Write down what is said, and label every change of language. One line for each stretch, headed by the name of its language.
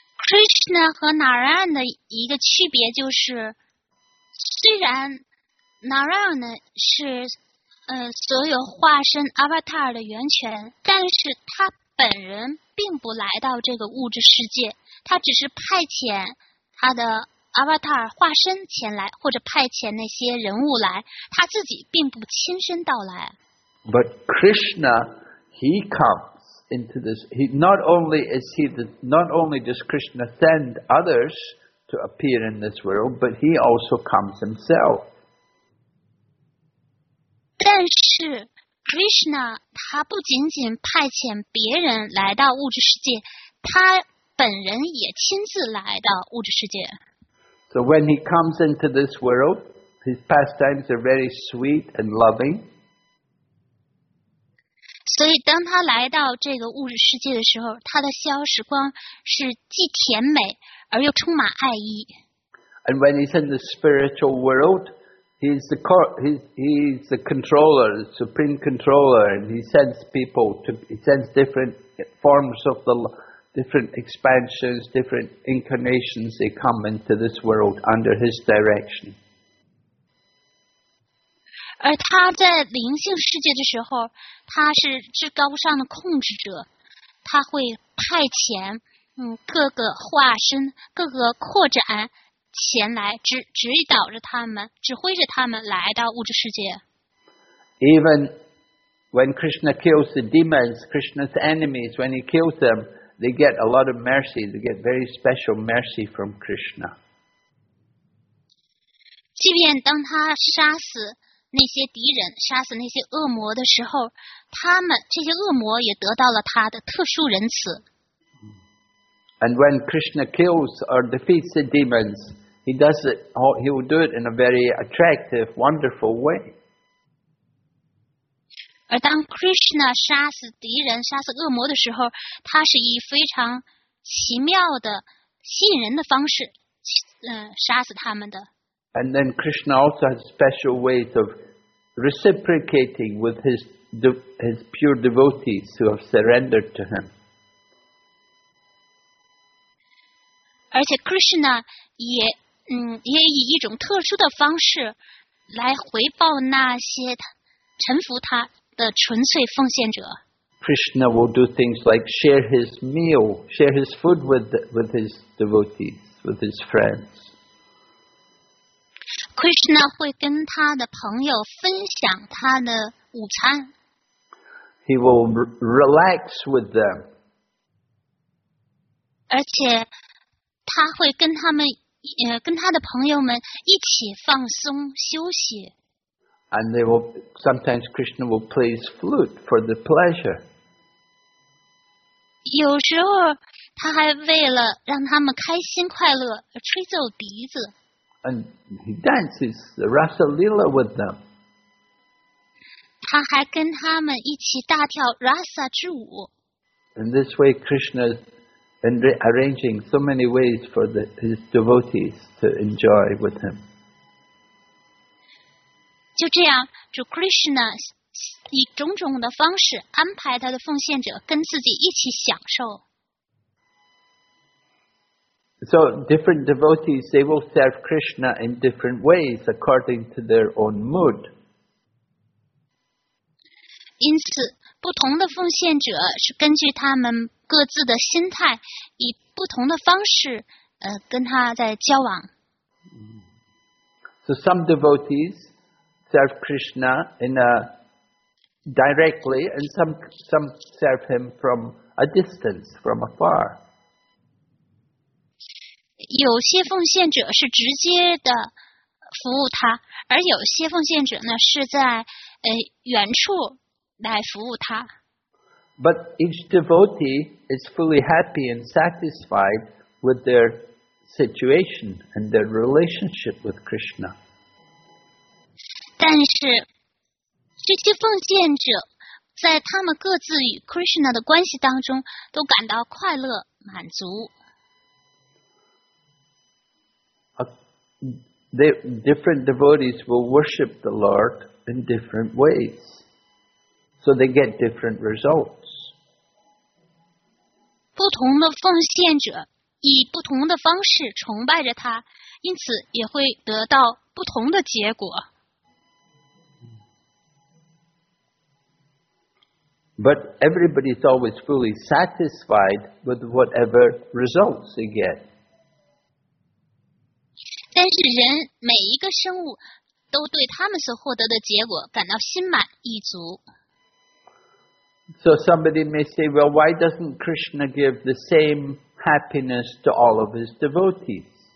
Chinese: Krishna 和 Narayan 的一个区别就是，虽然 Narayan 呢是所有化身 avatar 的源泉，但是他本人并不来到这个物质世界，他只是派遣他的 avatar 化身前来，或者派遣那些人物来，他自己并不亲身到来。
English: But Krishna, he comes into this. He not only is he the, not only does Krishna send others to appear in this world, but he also comes himself.
Chinese: 但是 Krishna 他不仅仅派遣别人来到物质世界，他本人也亲自来到物质世界。
English: So when he comes into this world, his pastimes are very sweet and loving.
Chinese: 所以当他来到这个物质世界的时候，他的逍遥时光是既甜美而又充满爱意。
English: And when he's in the spiritual world,He's the controller, the supreme controller, and he sends people to, he sends different forms of the, different expansions, different incarnations, they come into this world under his direction.
Chinese: 而他在灵性世界的时候，他是至高无上的控制者，他会派遣各个化身，各个扩展前来指导着他们，指挥着他们来到物质世界。
English: Even when Krishna kills the demons, Krishna's enemies, when he kills them, they get a lot of mercy. They get very special mercy from Krishna.
Chinese: 即便当他杀死那些敌人，杀死那些恶魔的时候，他们这些恶魔也得到了他的特殊仁慈。
English: And when Krishna kills or defeats the demons, he does it, he will do it in a very attractive, wonderful way.
Chinese: 而当 Krishna 杀死敌人，杀死恶魔的时候，他是以非常奇妙的、吸引人的方式，杀死他们的。
English: And then Krishna also has special ways of reciprocating with his pure devotees who have surrendered to him.
Chinese: 而且 Krishna 也以一种特殊的方式来回报那些臣服他的纯粹奉献者。
English: Krishna will do things like share his meal, share his food with his devotees, with his friends.
Chinese: Krishna 会跟他的朋友分享他的午餐。
English: He will relax with them.
Chinese: 而且他会跟他们，跟他的朋友们一起放松休息。
English: And they will sometimes Krishna will play his flute for the pleasure.
Chinese: 有时候他还为了让他们开心快乐而吹奏笛子。
English: And he dances the Rasa Lila with them.
Chinese: 他还跟他们一起大跳 Rasa 之舞。
English: In this way, Krishna. And arranging so many ways for his devotees to enjoy with him.
Chinese: 就这样，主 Krishna 以种种的方式安排他的奉献者跟自己一起享受。
English: So different devotees, they will serve Krishna in different ways according to their own mood.
Chinese: 因此，不同的奉献者是根据他们各自的心态，以不同的方式，跟他在交往。
English: So some devotees serve Krishna in a directly, and some serve him from a distance, from afar.
Chinese: 有些奉献者是直接的服务他，而有些奉献者呢是在远处。来服务他。
English: But each devotee is fully happy and satisfied with their situation and their relationship with Krishna.
Chinese: 但是，这些奉献者在他们各自与 Krishna 的关系当中都感到快乐满足。
English: Different devotees will worship the Lord in different ways. So they get different results.
Chinese: 不同的奉献者以不同的方式崇拜着他，因此也会得到不同的结果。
English: But everybody's always fully satisfied with whatever results they get.
Chinese: 但是人每一个生物都对他们所获得的结果感到心满意足。
English: So somebody may say, well, why doesn't Krishna give the same happiness to all of his devotees?